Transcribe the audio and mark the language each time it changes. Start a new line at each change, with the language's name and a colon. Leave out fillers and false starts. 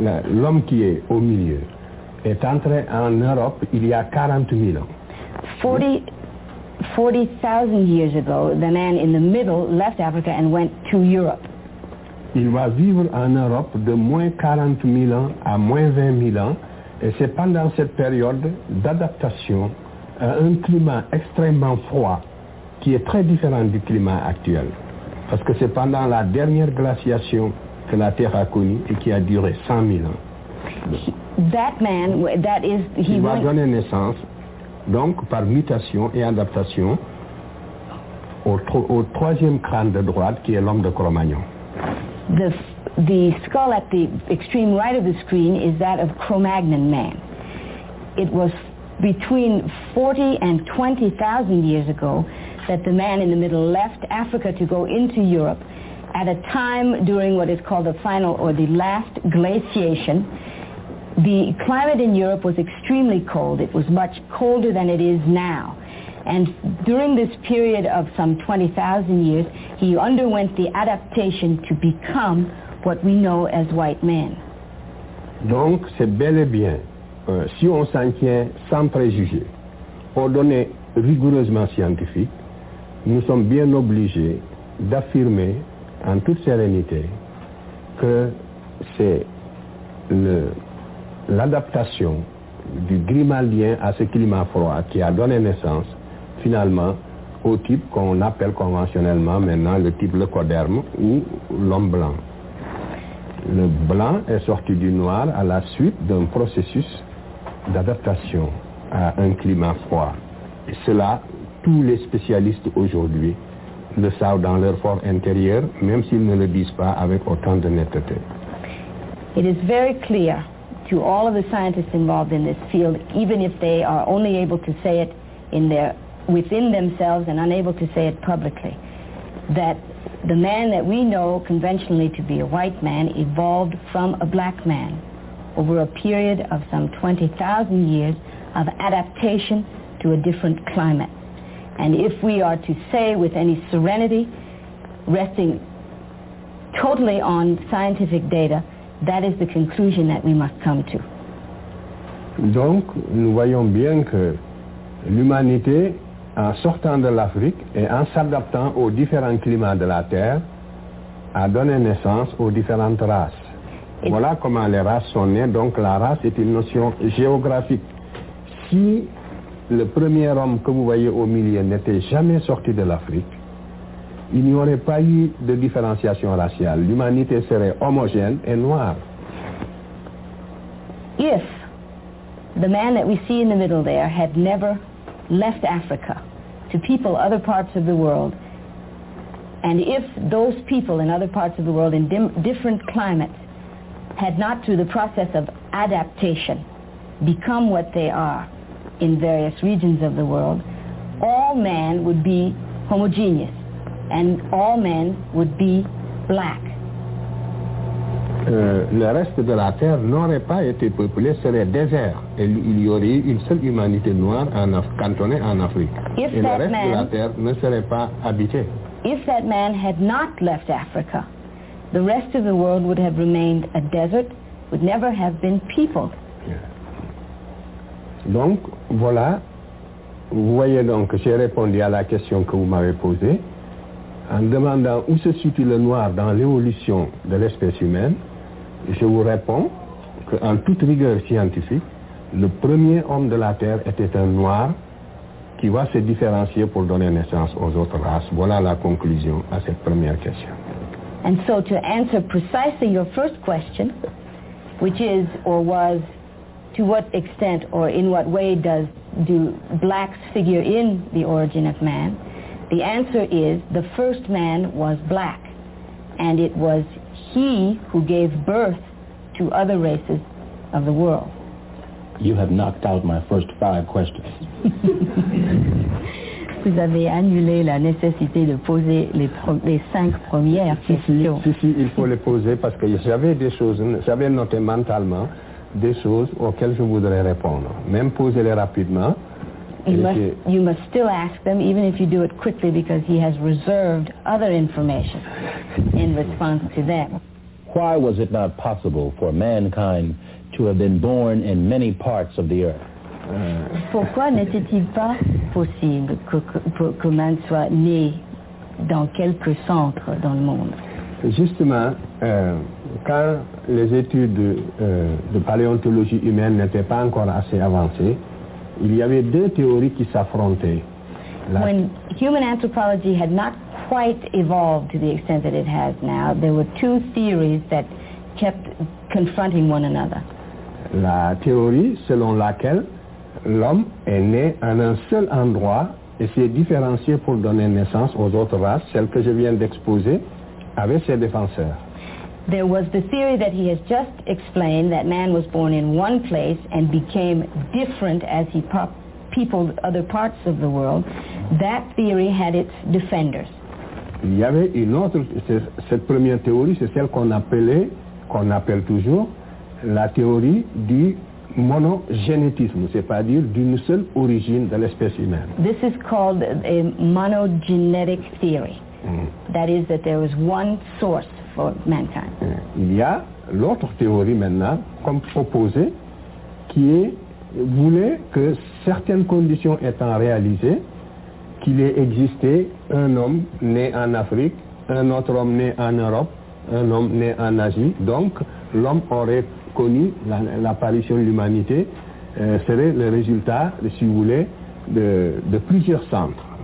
French: L'homme qui est au milieu est entré en Europe il y a 40 000 ans.
English: 40,000 years ago, the man in the middle left Africa and went to Europe.
French: Il va vivre en Europe de moins 40 000 ans à moins 20 000 ans, et c'est pendant cette période d'adaptation à un climat extrêmement froid qui est très différent du climat actuel, parce que c'est pendant la dernière glaciation que la Terre a connue et qui a duré 100 000 ans. Il va donner naissance. Donc, par mutation et adaptation au troisième crâne de droite, qui est l'homme de Cro-Magnon.
English: The skull at the extreme right of the screen is that of Cro-Magnon man. It was between 40 and 20,000 years ago that the man in the middle left Africa to go into Europe at a time during what is called the final or the last glaciation. The climate in Europe was extremely cold. It was much colder than it is now. And during this period of some 20,000 years, he underwent the adaptation to become what we know as white man.
French: Donc, c'est bel et bien, si on s'en tient sans préjugés, aux données rigoureusement scientifiques, nous sommes bien obligés d'affirmer en toute sérénité que c'est l'adaptation du Grimaldien à ce climat froid qui a donné naissance finalement au type qu'on appelle conventionnellement maintenant le type leucoderme ou l'homme blanc. Le blanc est sorti du noir à la suite d'un processus d'adaptation à un climat froid. Et cela, tous les spécialistes aujourd'hui le savent dans leur fort intérieur, même s'ils ne le disent pas avec autant de netteté.
English: It is very clear to all of the scientists involved in this field, even if they are only able to say it within themselves and unable to say it publicly, that the man that we know conventionally to be a white man evolved from a black man over a period of some 20,000 years of adaptation to a different climate. And if we are to say with any serenity, resting totally on scientific data, that is the conclusion that we must come to.
French: Donc, nous voyons bien que l'humanité, en sortant de l'Afrique et en s'adaptant aux différents climats de la Terre, a donné naissance aux différentes races. Voilà comment les races sont nées. Donc, la race est une notion géographique. Si le premier homme que vous voyez au milieu n'était jamais sorti de l'Afrique, il n'y aurait pas eu de différenciation raciale. L'humanité serait homogène et noire.
English: If the man that we see in the middle there had never left Africa to people other parts of the world, and if those people in other parts of the world in different climates had not, through the process of adaptation, become what they are in various regions of the world, all man would be homogeneous, and all men would be black.
French: Le reste de la terre n'aurait pas été peuplé, serait désert, et il y aurait une seule humanité noire cantonnée en Afrique. Et le reste de la terre ne serait pas habité.
English: If that man had not left Africa, the rest of the world would have remained a desert, would never have been peopled.
French: Donc, voilà, vous voyez donc que j'ai répondu à la question que vous m'avez posée, en demandant où se situe le noir dans l'évolution de l'espèce humaine, je vous réponds qu'en toute rigueur scientifique, le premier homme de la Terre était un noir qui va se différencier pour donner naissance aux autres races. Voilà la conclusion à cette première question.
English: And so to answer precisely your first question, which is or was, to what extent or in what way do blacks figure in the origin of man? The answer is the first man was black, and it was he who gave birth to other races of the world. You have knocked out my first five questions.
French: Vous avez annulé la nécessité de poser les cinq premières questions. Si, il faut les poser parce que j'avais noté mentalement des choses auxquelles je voudrais répondre. Même poser les rapidement.
English: You must still ask them, even if you do it quickly, because he has reserved other information in response to them. Why was it not possible for mankind to have been born in many parts of the earth?
French: Pourquoi n'était-il pas possible que man soit né dans quelques centres dans le monde? Justement, quand les études de paléontologie humaine n'étaient pas encore assez avancées, il y avait deux théories qui s'affrontaient.
English: When human anthropology had not quite evolved to the extent that it has now, there were two theories that kept confronting one another.
French: La théorie selon laquelle l'homme est né en un seul endroit et s'est différencié pour donner naissance aux autres races, celle que je viens d'exposer, avec ses défenseurs.
English: There was the theory that he has just explained, that man was born in one place and became different as he peopled other parts of the world. That theory had its defenders.
French: Il y avait une autre, cette première théorie, c'est celle qu'on appelle toujours, la théorie du monogénétisme, c'est-à-dire d'une seule origine de l'espèce humaine.
English: This is called a monogenetic theory. That is that there was one source for mankind.
French: Il y a l'autre théorie maintenant, comme proposée, voulait que certaines conditions étant réalisées, qu'il ait existé un homme né en Afrique, un autre homme né en Europe, un homme né en Asie, donc l'homme aurait connu l'apparition de l'humanité serait le résultat, si vous voulez, de plusieurs centres.